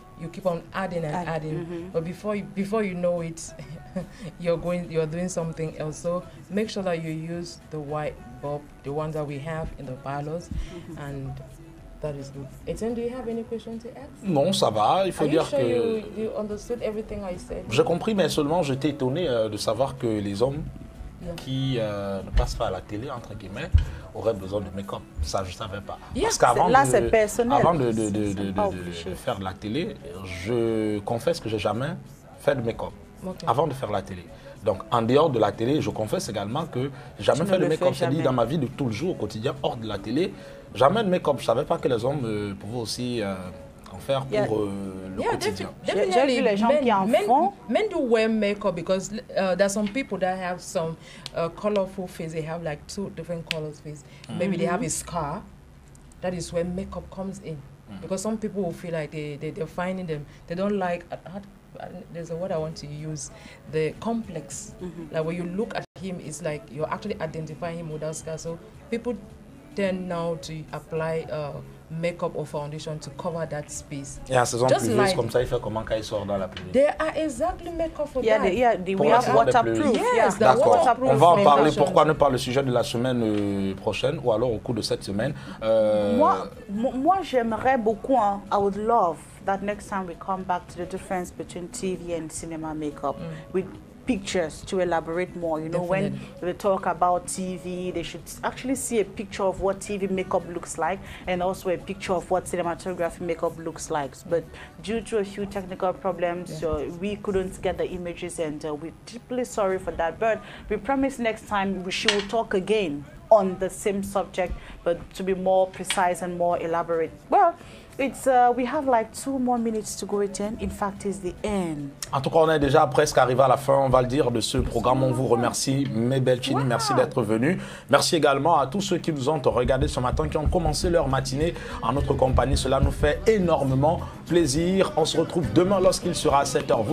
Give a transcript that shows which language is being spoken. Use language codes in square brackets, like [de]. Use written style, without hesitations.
[en] You keep on adding and adding. Mm-hmm. But before you know it, you're doing something else. So make sure that you use the white bulb, the ones that we have in the parlors, mm-hmm. and that is good. Etienne, do you have any questions to ask? [fr] Non, ça va. Il faut [en] Are [fr] dire [en] you sure [fr] que [en] you understood everything I said? [fr] J'ai compris, mais seulement j'étais étonné de savoir que les hommes qui ne passent pas à la télé, entre guillemets, aurait besoin de make-up. Ça, je ne savais pas. Yeah, parce qu'avant c'est personnel. Avant de faire de la télé, je confesse que je n'ai jamais fait de make-up. [en] Okay. [fr] Avant de faire la télé. Donc, en dehors de la télé, je confesse également que je n'ai jamais fait de make-up. C'est-à-dire, dans ma vie de tout le jour, au quotidien, hors de la télé, jamais de make-up. Je ne savais pas que les hommes pouvaient aussi en faire pour le quotidien. J'ai vu les gens qui en font. [en] Men do wear make-up because there are some people that have some colorful face. They have like two different colors face. Mm-hmm. Maybe they have a scar. That is where make-up comes in. Mm-hmm. Because some people will feel like they're finding them. They don't like... there's a word I want to use, the complex. Mm-hmm. Like when you look at him, it's like you're actually identifying him with Oscar. So people tend now to apply makeup or foundation to cover that space. [fr] Yeah, saison pluvieuse comme ça, il fait comment quand il sort dans la pluie? [en] There are exactly makeup for yeah, that. We have waterproof. Yes, [fr] D'accord. [en] Waterproof. [fr] On va en parler. Pourquoi ne pas le sujet de la semaine prochaine ou alors au cours de cette semaine? Moi, j'aimerais beaucoup. [en] Hein, I would love that next time we come back to the difference between TV and cinema makeup. Mm. With pictures to elaborate more. You know, definitely. When they talk about TV, they should actually see a picture of what TV makeup looks like and also a picture of what cinematography makeup looks like. But due to a few technical problems, we couldn't get the images and we're deeply sorry for that. But we promise next time she will talk again on the same subject, but to be more precise and more elaborate. Well, we have like 2 more minutes to go at the end. In fact, it's the end. [fr] En tout cas, on est déjà presque arrivé à la fin, on va le dire, de ce programme. On vous remercie, Mabel Chini, merci d'être venu. Merci également à tous ceux qui nous ont regardé ce matin, qui ont commencé leur matinée en notre compagnie. Cela nous fait énormément plaisir. On se retrouve demain lorsqu'il sera à 7h.